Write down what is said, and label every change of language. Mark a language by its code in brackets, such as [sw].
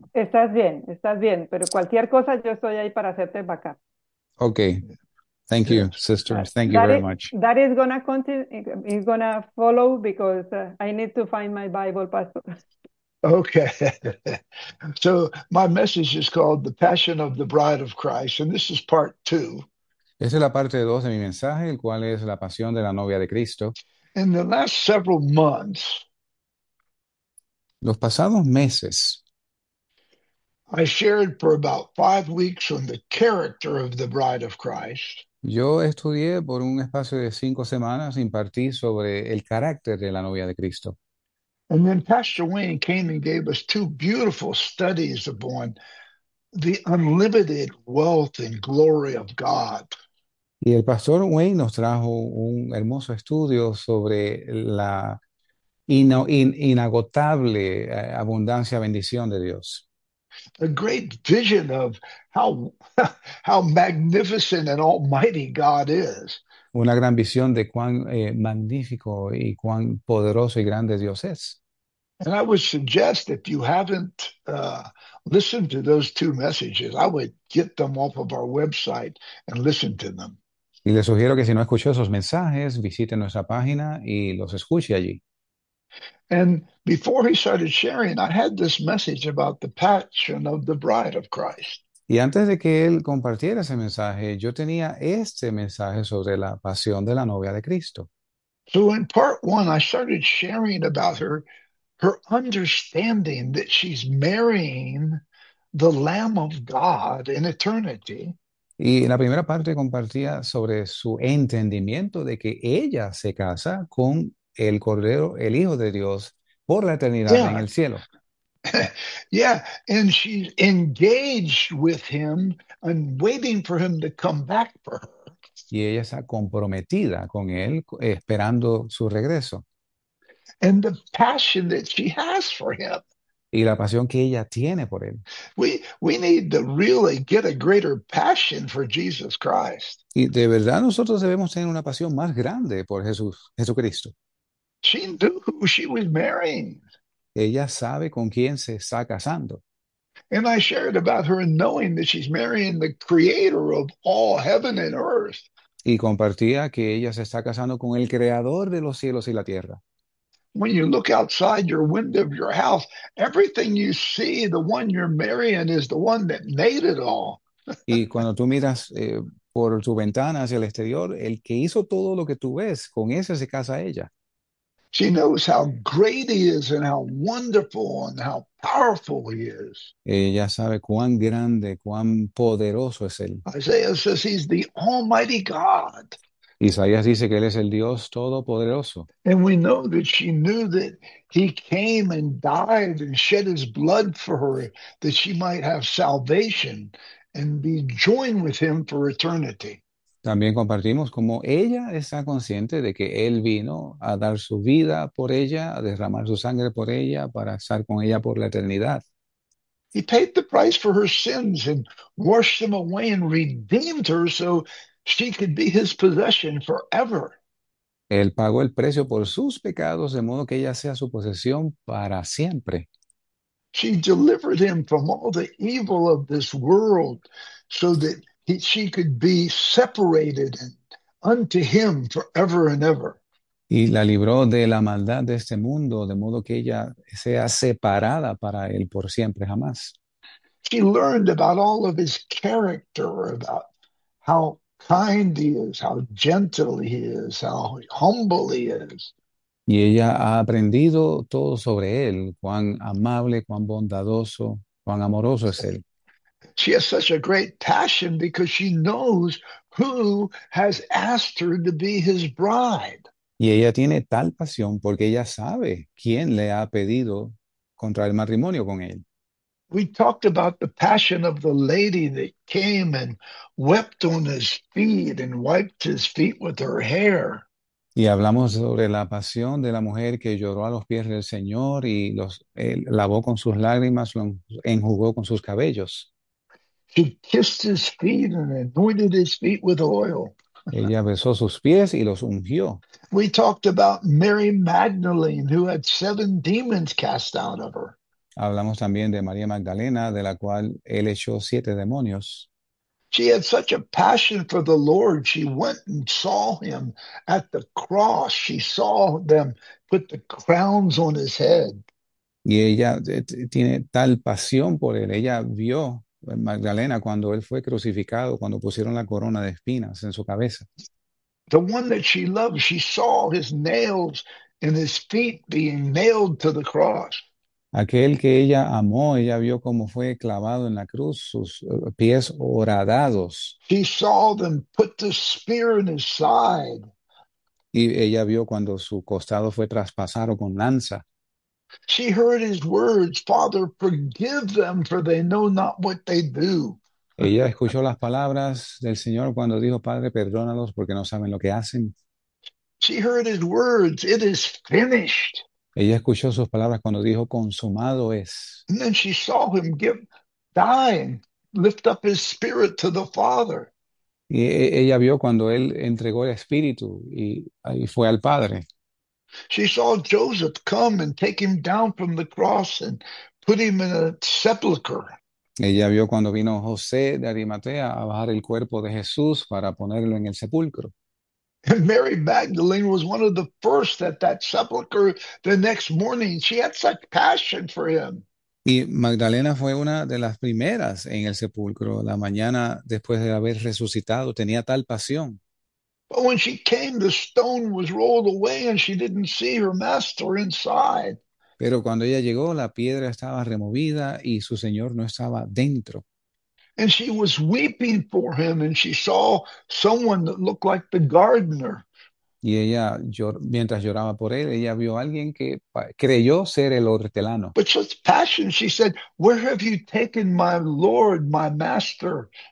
[es] Estás bien, pero cualquier cosa yo estoy ahí para hacerte backup. [en] Okay. Thank you, Yes. sister. Thank you That very is much. gonna continue, is gonna follow because I need to find my Bible, Pastor. Okay. So my message is called The Passion of the Bride of Christ, and this is part two. [es] Esta es la parte 2 de mi mensaje, el cual es la pasión de la novia de Cristo. [en] In the last several months, [es] Los pasados meses, [en] I shared for about 5 weeks on the character of the Bride of Christ. [es] Yo estudié por un espacio de 5 semanas, impartí sobre el carácter de la novia de Cristo. [en] And then Pastor Wayne came and gave us two beautiful studies upon the unlimited wealth and glory of God. [es] Y el pastor Wayne nos trajo un hermoso estudio sobre la inagotable abundancia, bendición de Dios. [en] A great vision of how magnificent and almighty God is. [es] Una gran visión de cuán magnífico y cuán poderoso y grande Dios es. [en] And I would suggest if you haven't listened to those two messages, I would get them off of our website and listen to them. [es] Y le sugiero que si no escuchó esos mensajes, visite nuestra página y los escuche allí. [en] And before he started sharing, I had this message about the passion of the Bride of Christ. [es] Y antes de que él compartiera ese mensaje, yo tenía este mensaje sobre la pasión de la novia de Cristo. [en] So in part one, I started sharing about her understanding that she's marrying the Lamb of God in eternity. [es] Y en la primera parte compartía sobre su entendimiento de que ella se casa con el Cordero, el Hijo de Dios, por la eternidad en el cielo. [en] And she's engaged with him and waiting for him to come back for her. [es] Y ella está comprometida con él, esperando su regreso. [en] And the passion that she has for him. [es] Y la pasión que ella tiene por él. [en] We need to really get a greater passion for Jesus Christ. [es] Y de verdad nosotros debemos tener una pasión más grande por Jesucristo. [en] She knew who she was marrying. [es] Ella sabe con quién se está casando. [en] And I shared about her knowing that she's marrying the creator of all heaven and earth. [es] Y compartía que ella se está casando con el creador de los cielos y la tierra. [en] When you look outside your window of your house, everything you see, the one you're marrying is the one that made it all. [es] Y cuando tú miras por tu ventana hacia el exterior, el que hizo todo lo que tú ves, con ese se casa ella. [en] She knows how great he is and how wonderful and how powerful he is. [es] Ella sabe cuán grande, cuán poderoso es él. [en] Isaiah says he's the Almighty God. [es] Isaías dice que él es el Dios Todopoderoso. [en] And we know that she knew that he came and died and shed his blood for her, that she might have salvation and be joined with him for eternity. [es] También compartimos cómo ella está consciente de que él vino a dar su vida por ella, a derramar su sangre por ella, para estar con ella por la eternidad. [en] He paid the price for her sins and washed them away and redeemed her so she could be his possession forever. [es] Él pagó el precio por sus pecados, de modo que ella sea su posesión para siempre. [en] She delivered him from all the evil of this world so that she could be separated unto him forever and ever. [es] Y la libró de la maldad de este mundo, de modo que ella sea separada para él por siempre, jamás. [en] She learned about all of his character, about how kind he is, how gentle he is, how humble he is. [es] Y ella ha aprendido todo sobre él, cuán amable, cuán bondadoso, cuán amoroso es él. [en] She has such a great passion because she knows who has asked her to be his bride. [es] Y ella tiene tal pasión porque ella sabe quién le ha pedido contraer matrimonio con él. [en] We talked about the passion of the lady that came and wept on his feet and wiped his feet with her hair. [es] Y hablamos sobre la pasión de la mujer que lloró a los pies del Señor y los lavó con sus lágrimas, lo enjugó con sus cabellos. [en] She kissed his feet and anointed his feet with oil. [es] Ella besó sus pies y los ungió. [en] We talked about Mary Magdalene, who had seven demons cast out of her. [es] Hablamos también de María Magdalena, de la cual él echó 7 demonios. [en] She had such a passion for the Lord. She went and saw him at the cross. She saw them put the crowns on his head. [es] Y ella tiene tal pasión por él. Ella vio a Magdalena cuando él fue crucificado, cuando pusieron la corona de espinas en su cabeza. [en] The one that she loved, she saw his nails and his feet being nailed to the cross. [es] Aquel que ella amó, ella vio cómo fue clavado en la cruz, sus pies horadados. [en] He saw them put the spear in his side. [es] Y ella vio cuando su costado fue traspasado con lanza. [en] She heard his words, Father, forgive them, for they know not what they do. [es] Ella escuchó las palabras del Señor cuando dijo, Padre, perdónalos porque no saben lo que hacen. [en] She heard his words, it is finished. [es] Ella escuchó sus palabras cuando dijo, consumado es. [en] And then she saw him give dying. Lift up his spirit to the Father. [es] Y ella vio cuando él entregó el espíritu y fue al Padre. [en] She saw Joseph come and take him down from the cross and put him in a sepulchre. [es] Ella vio cuando vino José de Arimatea a bajar el cuerpo de Jesús para ponerlo en el sepulcro. [en] And Mary Magdalene was one of the first at that sepulchre the next morning. She had such passion for him. [es] Y Magdalena fue una de las primeras en el sepulcro la mañana después de haber resucitado. Tenía tal pasión. [en] But when she came, the stone was rolled away and she didn't see her master inside. [es] Pero cuando ella llegó, la piedra estaba removida y su señor no estaba dentro. [en] And she was weeping for him and she saw someone that looked like the gardener. [es] Y ella, mientras lloraba por él, ella vio a alguien que creyó ser el hortelano. [en] But such passion, she said, Where have you taken my Lord, my master?